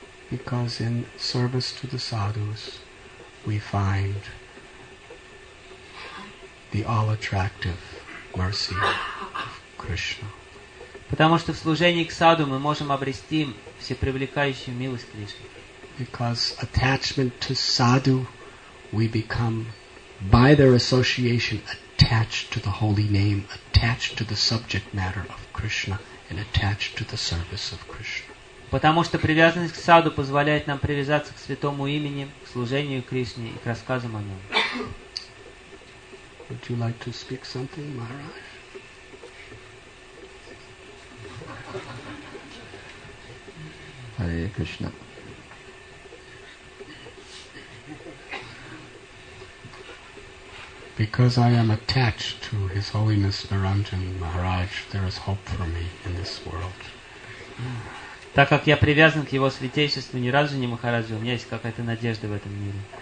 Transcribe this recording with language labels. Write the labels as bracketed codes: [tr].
[en] Because in service to the sadhus we find the all-attractive mercy of Krishna. [ru] Потому что в служении к саду мы можем обрести всепривлекающую милость Кришны. [en] Because attachment to sadhu, we become, by their association, attached to the holy name, attached to the subject matter of Krishna, and attached to the service of Krishna. [ru] Потому что привязанность к саду позволяет нам привязаться к святому имени, к служению Кришне и к рассказам о нем. [en] Would you like to speak something, Maharaj? Hare Krishna. Because I am attached to His Holiness Niranjan Maharaj, there is hope for me in this world. [ru] Так как я привязан к Его Святейшеству Ниранджане Махараджу, у меня есть какая-то надежда в этом мире.